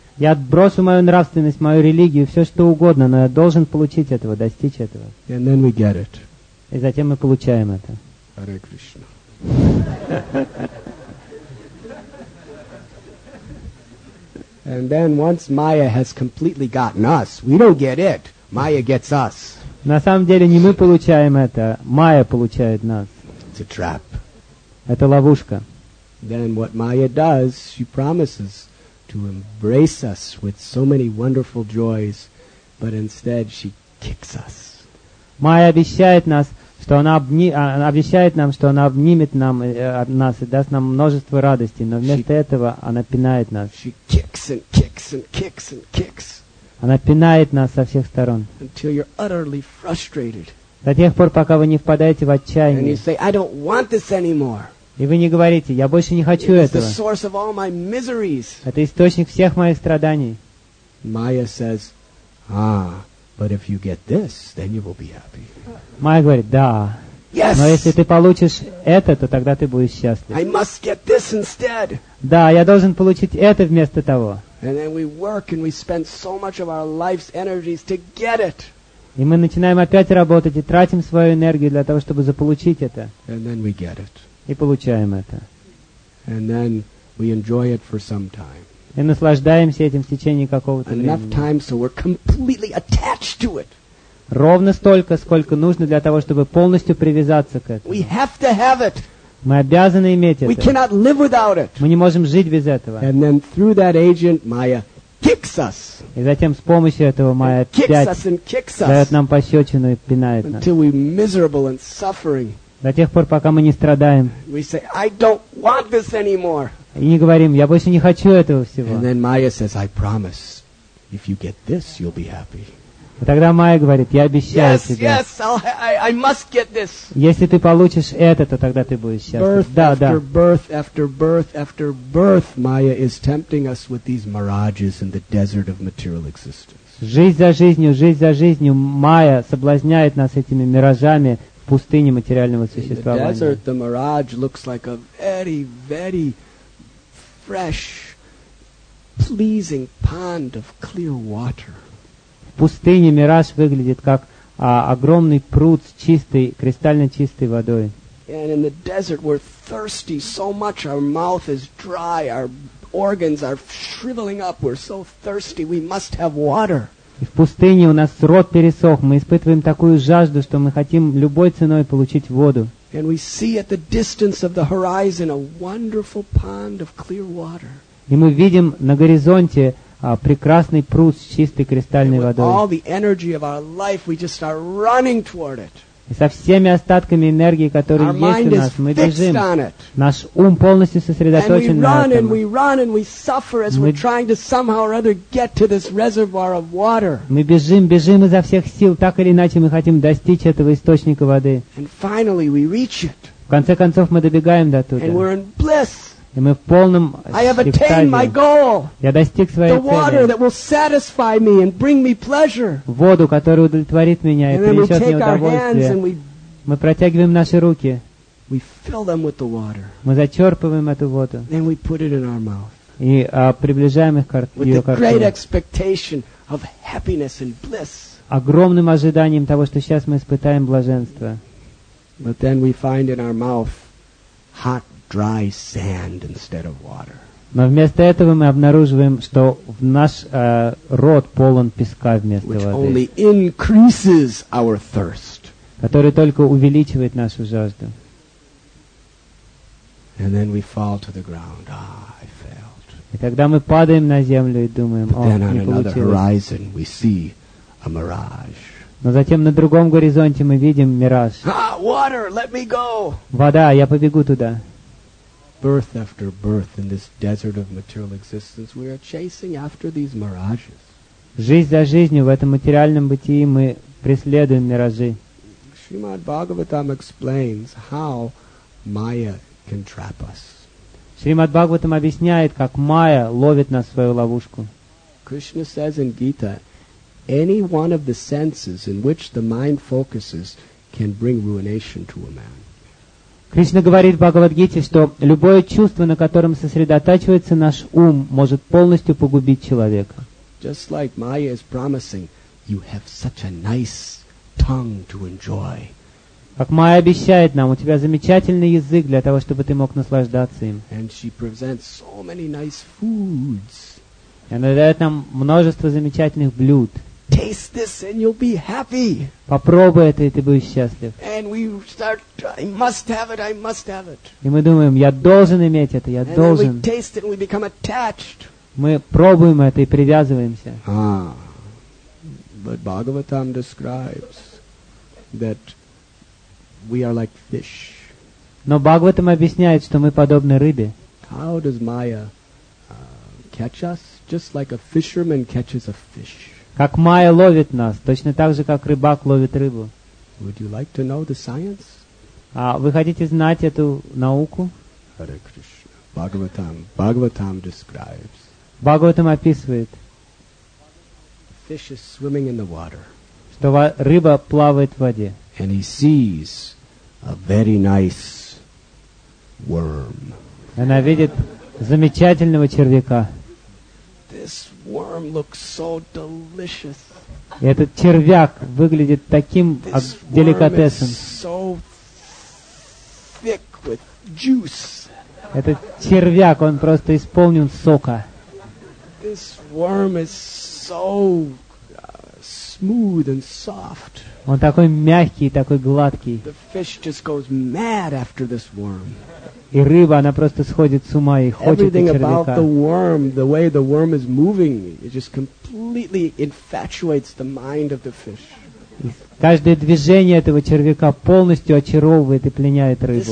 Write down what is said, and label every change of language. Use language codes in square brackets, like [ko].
[ru] Я отброшу мою нравственность, мою религию, все что угодно, но я должен получить этого, достичь этого. [en] And then we get it. [ru] И затем мы получаем это. [en] Hare Krishna. And then once Maya has completely gotten us, we don't get it. Maya gets us. [ru] На самом деле не мы получаем это, Maya получает нас. [en] It's a trap. [ru] Это ловушка. [en] Then what Maya does, she promises to embrace us with so many wonderful joys, but instead she kicks us. [ru] Maya обещает нас, что она обещает нам, что она обнимет нам, нас и даст нам множество радостей, но вместо этого она пинает нас. [en] She kicks and kicks and kicks and kicks. [ru] Она пинает нас со всех сторон. [en] Until you're utterly frustrated. [ru] До тех пор, пока вы не впадаете в отчаяние. [en] And you say, I don't want this anymore. [ru] И вы не говорите, я больше не хочу [en] It's [ru] этого. [en] The source of all my miseries. [ru] Это источник всех моих страданий. [en] Maya says, ah, but if you get this, then you will be happy. [ru] Майя говорит, да, [en] Yes. [ru] Но если ты получишь это, то тогда ты будешь счастлив. [en] I must get this instead. [ru] Да, я должен получить это вместо того. [en] And then we work and we spend so much of our life's energies to get it. [ru] И мы начинаем опять работать и тратим свою энергию для того, чтобы заполучить это. [en] And then we get it. [ru] И получаем это. [en] And then we enjoy it for some time. [ru] И наслаждаемся этим в течение какого-то времени. [en] Enough time, so we're completely attached to it. [ru] Ровно столько, сколько нужно для того, чтобы полностью привязаться к этому. [en] We have to have it. [ru] Мы обязаны иметь это. [en] We cannot live without it. [ru] Мы не можем жить без этого. [en] And then through that agent, Maya kicks us. [ru] И затем с помощью этого Maya дает нам пощечину и пинает нас. [en] Until we're miserable and suffering. [ru] До тех пор, пока мы не страдаем. [en] We say, I don't want this anymore. [ru] И не говорим, я больше не хочу этого всего. [en] And then Maya says, I promise, if you get this, you'll be happy. [ru] И тогда Майя говорит, я обещаю [en] yes, [ru] тебе. [en] Yes, I must get this. [ru] Если ты получишь это, то тогда ты будешь счастлив. [en] Birth [ru] да, [en] after [ru] да. [en] birth after birth after birth, Maya is tempting us with these mirages in the desert of material existence. [ru] Жизнь за жизнью, Майя соблазняет нас этими миражами в пустыне материального существования. [en] In the desert, the mirage looks like a very, very fresh, pleasing pond of clear water. [ru] В пустыне мираж выглядит как огромный пруд с чистой, кристально чистой водой. [en] And in the desert we're thirsty so much, our mouth is dry, our organs are shriveling up, we're so thirsty, we must have water. [ru] И в пустыне у нас рот пересох, мы испытываем такую жажду, что мы хотим любой ценой получить воду. [en] And we see at the distance of the horizon a wonderful pond of clear water. [ru] И мы видим на горизонте прекрасный пруд с чистой кристальной [en] and [ru] водой. [en] All the energy of our life, we just are running toward it. [ru] И со всеми остатками энергии, которые [en] our [ru] есть [en] mind [ru] у нас, мы бежим. [en] Fixed on it. [ru] Наш ум полностью сосредоточен [en] and we run [ru] на этом. [en] And we run and we suffer as we're trying to somehow or other get to this reservoir of water. [ru] Мы бежим изо всех сил, так или иначе мы хотим достичь этого источника воды. [en] And finally we reach it. [ru] В конце концов мы добегаем до туда. [en] And we're in bliss. [ru] И мы в полном [en] I have attained my goal. [ru] Я достиг своей цели. [en] The water that will satisfy me and bring me pleasure. [ru] Воду, которая удовлетворит меня и принесет мне удовольствие. Мы протягиваем наши руки. [en] We fill them with the water. [ru] Мы зачерпываем эту воду. [en] Then we put it in our mouth. [ru] И приближаем их к ее ко рту. [en] With great expectation of happiness and bliss. [ru] Огромным ожиданием того, что сейчас мы испытаем блаженство. [en] But then we find in our mouth hot dry sand instead of water. [ru] Но вместо этого мы обнаруживаем, что в наш рот полон песка вместо [en] which [ru] воды. [en] Which only increases our thirst. [ru] Который только увеличивает нашу жажду. [en] And then we fall to the ground. Ah, I failed. [ru] И тогда мы падаем на землю и думаем, о, не получилось. [en] But then on another horizon we see a mirage. [ru] Но затем на другом горизонте мы видим мираж. [en] Ah, water, let me go. [ru] Вода, я побегу туда. [en] Birth after birth in this desert of material existence, we are chasing after these mirages. [ru] Жизнь за жизнью в этом материальном бытии мы преследуем миражи. [en] Srimad Bhagavatam explains how Maya can trap us. [ru] Srimad Bhagavatam объясняет, как Maya ловит нас в свою ловушку. [en] Krishna says in Gita, any one of the senses in which the mind focuses can bring ruination to a man. [ru] Кришна говорит в Бхагавад-гите, что любое чувство, на котором сосредотачивается наш ум, может полностью погубить человека. [en] Just like Maya is promising, you have such a nice tongue to enjoy. [ru] Как Майя обещает нам, у тебя замечательный язык для того, чтобы ты мог наслаждаться им. [en] And she presents so many nice foods. [ru] И она дает нам множество замечательных блюд. [en] Taste this and you'll be happy. [ru] Попробуй это, и ты будешь счастлив. [en] And we start, I must have it, I must have it. [ru] И мы думаем, я должен иметь это, я [en] and [ru] должен. [en] Then we taste it and we become attached. [ru] Мы пробуем это и привязываемся. Ah. [en] But Bhagavatam describes that we are like fish. [ru] Но Бхагаватам объясняет, что мы подобны рыбе. [en] How does Maya catch us? Just like a fisherman catches a fish. [ru] Как Майя ловит нас, точно так же, как рыбак ловит рыбу. [en] Would you like to know the science? [ru] Вы хотите знать эту науку? [en] Hare Krishna. Bhagavatam. Bhagavatam describes. [ru] Bhagavatam описывает. [en] Fish is swimming in the water. [ru] Что рыба плавает в воде. [en] And he sees a very nice worm. [ru] Она видит замечательного червяка. [en] This worm looks so delicious. [ru] И этот червяк выглядит таким деликатесом. [en] So thick with juice. [ru] Этот червяк, он просто исполнен сока. [en] This worm is so smooth and soft. [ru] Он такой мягкий, такой гладкий. [en] The fish just goes mad after this worm. [ru] И рыба, она просто сходит с ума и хочет [en] Everything [ru] червяка. [en] Everything about the worm, the way the worm is moving, it just completely infatuates the mind of the fish. [ru] Каждое движение этого червяка полностью очаровывает и пленяет рыбу.